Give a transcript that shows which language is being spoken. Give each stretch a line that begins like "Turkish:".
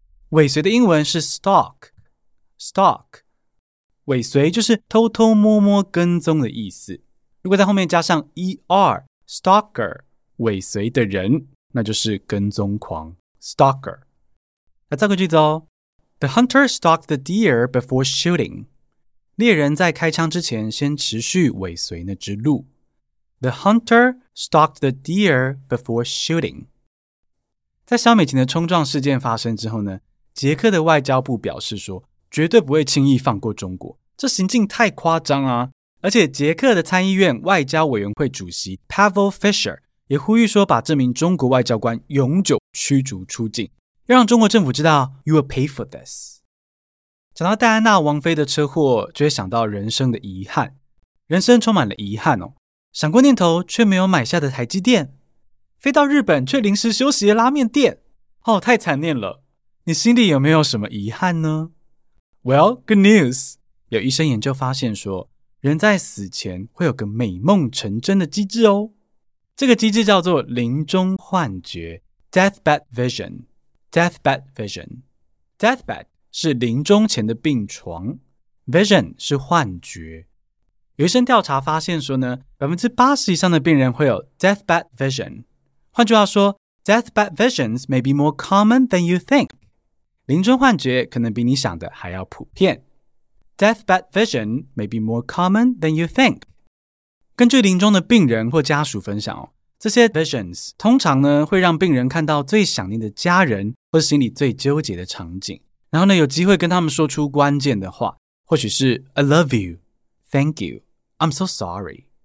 Chinese: 尾随的英文是 stalk， stalk，尾随就是偷偷摸摸跟踪的意思，如果在后面加上 ER stalker， 尾随的人，那就是跟踪狂 stalker。来造个句子哦。
English: The hunter stalked the deer before shooting，
Chinese: 猎人在开枪之前先持续尾随那只鹿。
English: The hunter stalked the deer before shooting。
Chinese: 在萧美琴的冲撞事件发生之后呢，捷克的外交部表示说绝对不会轻易放过中国，这行径太夸张啊。而且捷克的参议院外交委员会主席 Pavel Fischer 也呼吁说把这名中国外交官永久驱逐出境，要让中国政府知道
English: You will pay for this。
Chinese: 讲到戴安娜王妃的车祸，就会想到人生的遗憾，人生充满了遗憾哦，想过念头却没有买下的台积电，飞到日本却临时休息的拉面店，哦，太惨念了。你心里有没有什么遗憾呢？
English: Well, good news.
Chinese: 有医生研究发现说，人在死前会有个美梦成真的机制哦。这个机制叫做临终幻觉 ,deathbed vision, deathbed vision。 deathbed 是临终前的病床， vision 是幻觉。有医生调查发现说呢 ,80% 以上的病人会有 deathbed vision。换句话说
English: ,deathbed visions may be more common than you think。
Chinese: 临终幻觉可能比你想的还要普遍。
English: Deathbed vision may be more common than you think。
Chinese: 根据临终的病人或家属分享，这些 visions 通常呢会让病人看到最想念的家人或心里最纠结的场景，然后呢有机会跟他们说出关键的话，或许是
English: I love you, thank you, I'm so sorry。